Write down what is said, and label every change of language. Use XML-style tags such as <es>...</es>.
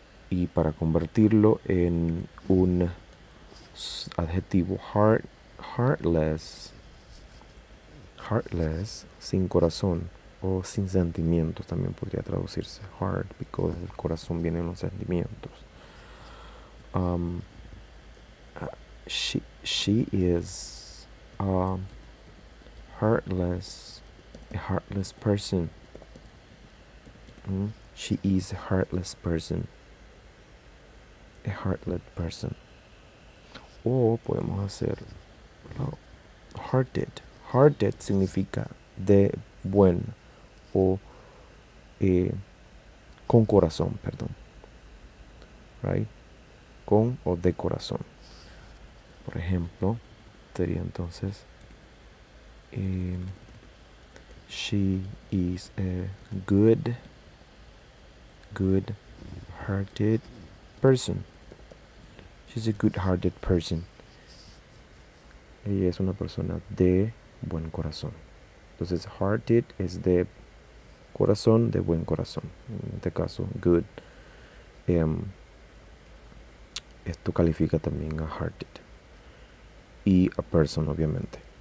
<es>Y para convertirlo en un adjetivo hard. Heartless, heartless, sin corazón o sin sentimientos también podría traducirse. Heart, because el corazón viene en los sentimientos.</es> <en>She is a heartless person. She is a heartless person. A heartless person.</en> <es>O podemos hacer.</es> <en>Oh. Hearted.</en> <es>Hearted significa de buen o con corazón, perdón.</es> <en>Right?</en> <es>Con o de corazón. Por ejemplo, sería entonces</es> <en>she is a good hearted person. She's a good hearted person.</en> <es>Ella es una persona de buen corazón. Entonces, hearted es de corazón, de buen corazón. En este caso, good. Esto califica también a hearted. Y a person, obviamente.</es>